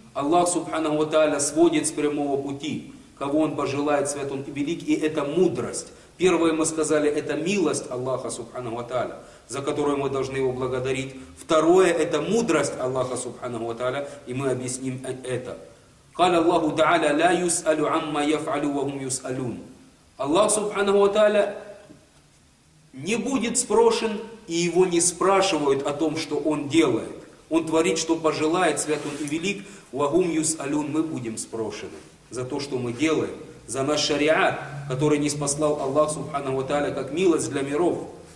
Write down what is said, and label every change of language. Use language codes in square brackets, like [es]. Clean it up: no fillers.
[ru] Аллах Субханаху ва Тааля сводит с прямого пути, кого Он пожелает, свят Он и велик, и это мудрость. Первое мы сказали, это милость Аллаха Субханаху ва Тааля, за которую мы должны его благодарить. Второе, это мудрость Аллаха Субханаху ва Тааля, и мы объясним это. [ar] قال الله تعالى لا يسأل عما يفعل وهم يسألون. [ru] Аллах Субханаху ва Тааля не будет спрошен, и его не спрашивают о том, что он делает. Он творит, что пожелает, свят он и велик. [ar] Вахум юсалюн, [ru] мы будем спрошены за то, что мы делаем, за наш шариат, который ниспослал Аллах Субханаху ва Тааля как милость для миров.